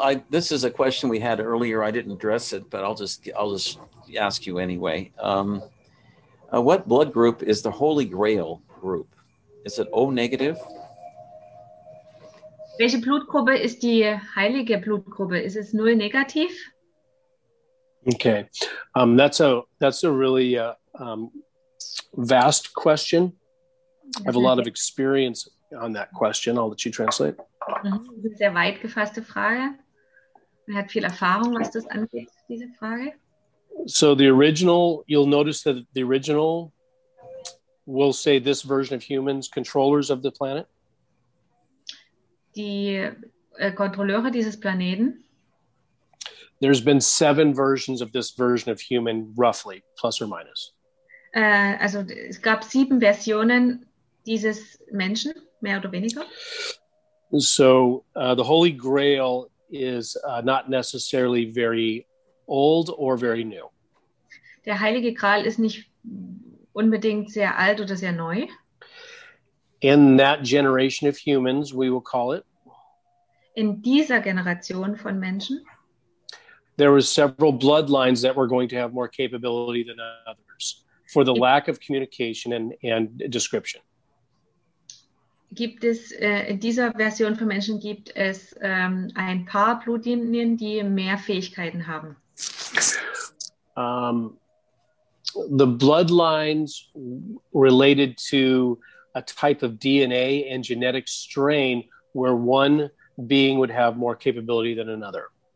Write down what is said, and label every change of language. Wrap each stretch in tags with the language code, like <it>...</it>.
<en>This is a question we had earlier. I didn't address it, but I'll just ask you anyway. What blood group is the Holy Grail group? Is it O negative?</en> <de>Welche Blutgruppe ist die heilige Blutgruppe? Ist es null negativ?</de> <en>Okay, that's a really vast question. I have a lot of experience on that question. I'll let you translate.</en> <de>Das ist eine sehr weit gefasste Frage. Man hat viel Erfahrung, was das angeht, diese Frage.</de> <en>So the original, you'll notice that the original will say this version of humans, controllers of the planet.</en> <de>Die Kontrolleure dieses Planeten.</de> <en>There's been 7 versions of this version of human, roughly, plus or minus.</en> <de>Also es gab 7 Versionen dieses Menschen, mehr oder weniger.</de> <en>So the Holy Grail is not necessarily very old or very new.</en> <de>Der Heilige Gral ist nicht unbedingt sehr alt oder sehr neu.</de> <en>In that generation of humans, we will call it.</en> <de>In dieser Generation von Menschen.</de> <en>There were several bloodlines that were going to have more capability than others for the lack of communication and description.</en> <de>Gibt es in dieser Version von Menschen gibt es ein paar Blutlinien, die mehr Fähigkeiten haben.</de> <en>The bloodlines related to a type of DNA and genetic strain where one being would have more capability than another.</en>